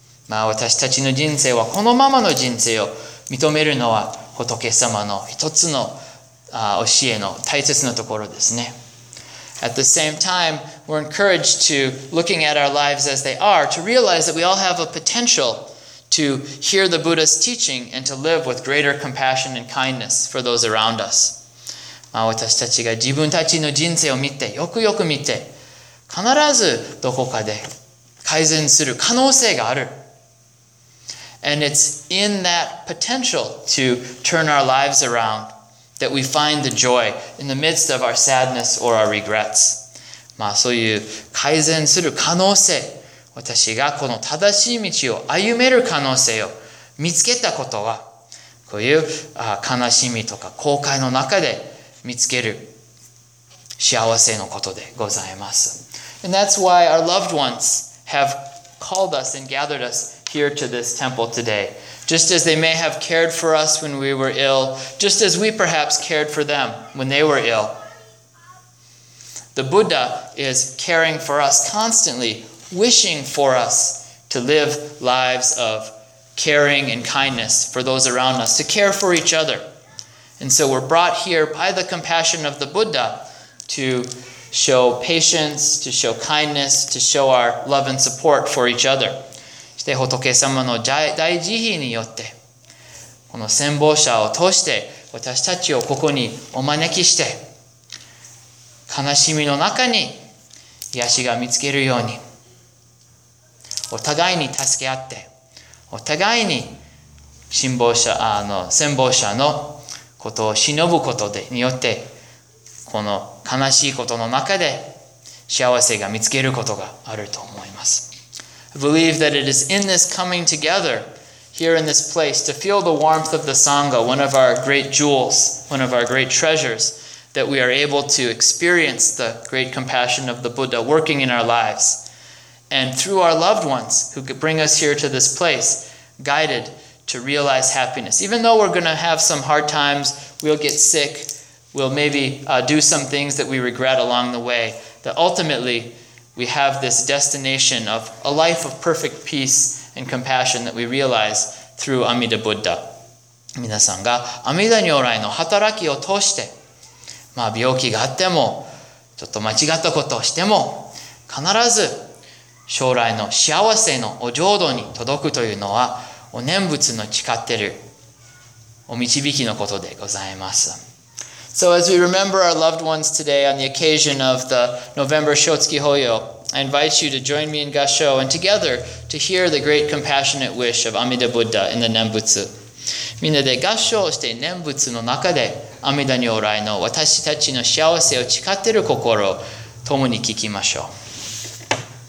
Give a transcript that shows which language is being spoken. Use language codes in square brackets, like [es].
[ja] まあ私たちの人生はこのままの人生を認めるのは仏様の一つの教えの大切なところですね。 [en] At the same time, we're encouraged to looking at our lives as they are, to realize that we all have a potential to hear the Buddha's teaching and to live with greater compassion and kindness for those around us. [ja] まあ私たちが自分たちの人生を見て、よくよく見て、必ずどこかで改善する可能性がある。 [en] And it's in that potential to turn our lives around that we find the joy in the midst of our sadness or our regrets. [ja] まあそういう改善する可能性、私がこの正しい道を歩める可能性を見つけたことは、こういう悲しみとか後悔の中で見つける幸せのことでございます。 [en] And that's why our loved ones have called us and gathered us here to this temple today. Just as they may have cared for us when we were ill, just as we perhaps cared for them when they were ill. The Buddha is caring for us constantly, wishing for us to live lives of caring and kindness for those around us, to care for each other. And so we're brought here by the compassion of the Buddha to show patience, to show kindness, to show our love and support for each other. [ja] して仏様の大慈悲によって、この先方者を通して私たちをここにお招きして、悲しみの中に癒しが見つけるように、お互いに助け合って、お互いに先方者のことを忍ぶことでによって、この悲しいことの中で幸せが見つけることがあると思います。 [en] I believe that it is in this coming together, here in this place, to feel the warmth of the Sangha, one of our great jewels, one of our great treasures, that we are able to experience the great compassion of the Buddha working in our lives. And through our loved ones who could bring us here to this place, guided to realize happiness. Even though we're going to have some hard times, we'll get sick, we'll maybe do some things that we regret along the way, that ultimately we have this destination of a life of perfect peace and compassion that we realize through Amida Buddha. [ja] 皆さんが阿弥陀如来の働きを通して、まあ病気があっても、ちょっと間違ったことをしても、必ず将来の幸せのお浄土に届くというのは、お念仏の誓っているお導きのことでございます。 [en] So as we remember our loved ones today on the occasion of the November Shotsuki Hoyo, I invite you to join me in Gassho and together to hear the great compassionate wish of Amida Buddha in the Nembutsu. [ja] みんなで合唱して念仏の中で阿弥陀如来の私たちの幸せを誓っている心を共に聞きましょう。